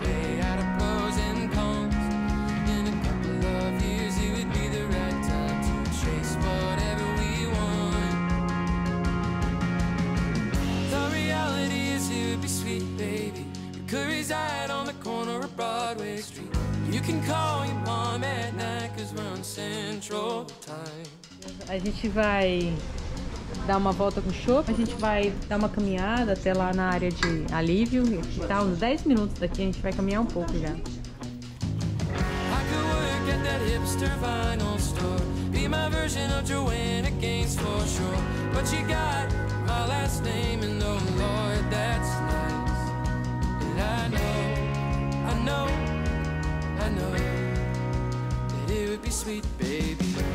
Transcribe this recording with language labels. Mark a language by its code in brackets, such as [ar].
[en] Way out of pros and cons. In a couple of years, it would be the right time to chase whatever we want. The reality is it would be sweet, baby. Could reside on the corner of Broadway Street. You can call your mom at night, 'cause we're on Central Time. [pt] A gente vai dar uma volta com o Chopp, a gente vai dar uma caminhada até lá na área de alívio, que tá uns 10 minutos daqui, a gente vai caminhar um pouco já. [en] I could work at that hipster vinyl store, be my version of Joanna Gaines for sure. But you got my last name and oh Lord, that's nice. And I know that it would be sweet, baby.